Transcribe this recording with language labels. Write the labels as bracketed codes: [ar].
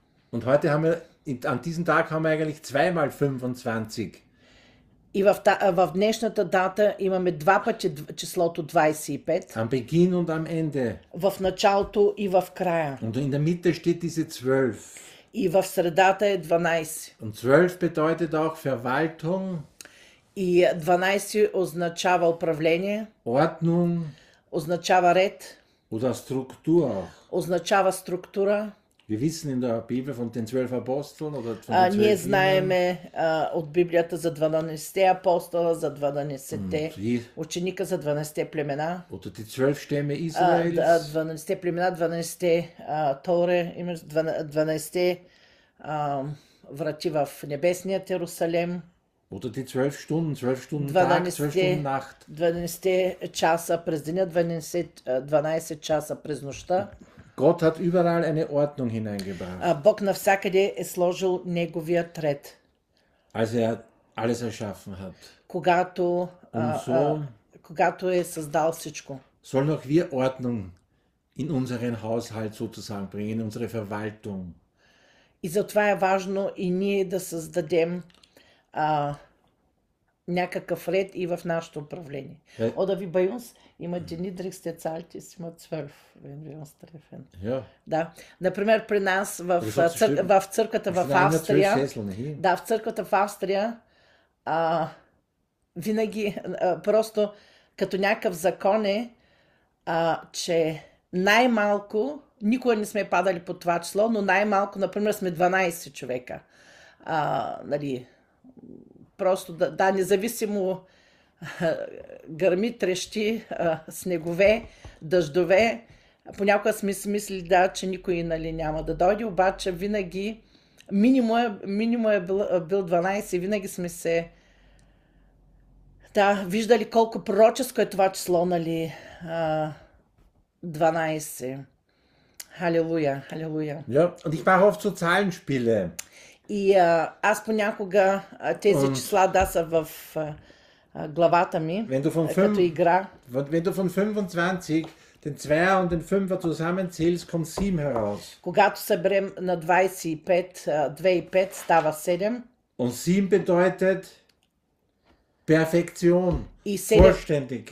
[de] Und heute haben wir an diesem Tag haben wir eigentlich zweimal 25. [bg] И в днешната дата имаме два пъти числото 25. [de] Am Beginn und am Ende. [bg] В началото и в края. [de] Und in der Mitte steht diese 12. [bg] И в средата е 12. [de] Und 12 bedeutet auch Verwaltung. [bg] И 12 означава управление. [de] Ordnung. [bg] Означава ред. [de] Oder Struktur. [bg] Означава структура. [de] Wir wissen in der Bibel von den 12 Aposteln oder von den 12 Jüngern. Wir [bg] знаем от Библията за 12-те апостола, за 12-те ученика, за 12-те племена. [de] Oder die 12 Stämme Israels. [bg] 12-те племена, 12-те Торе, 12-те врати в небесния Йерусалим. [de] Oder die 12 Stunden, 12 Stunden Tag, 12 Stunden Nacht. [bg] 12-те часа през деня, 12 часа през нощта. [de] Gott hat überall eine Ordnung hineingebracht. [bg] Бог навсякъде е сложил неговия ред. [de] Als er alles erschaffen hat. [bg] Когато е създал всичко. [de] Sollen auch wir Ordnung in unseren Haushalt sozusagen bringen, in unsere Verwaltung. [bg] И затова е важно и ние да създадем някакъв ред и в нашето управление. [de] Oder wie bei uns immer die niedrigste Zahl ist immer 12, wenn wir uns treffen. Ja. [bg] Да. Например, при нас в, в църквата в Австрия, да, в църквата в Австрия, винаги просто като някакъв закон е, че най-малко, никога не сме падали по това число, но най-малко, например, сме 12 човека. Нали, просто да, да, независимо гърми, трещи, снегове, дъждове, понякога сме си мислили, да, че никой, нали, няма да дойде, обаче винаги минимум е бил 12 и винаги сме се, да, виждали колко пророческо е това число, нали, 12. Халелуя, халелуя. [de] Ja, und ich mache oft so Zahlenspiele. [bg] И аз понякога тези числа, да, са в главата ми, [de] wenn du von fünf, [bg] като игра. [de] Wenn du von 25 den 2 und den 5 zusammenzählst, kommt 7 heraus. [bg] Когато съберем на 25, 2 и 5 става 7. [de] Und 7 bedeutet Perfektion, Vollständigkeit.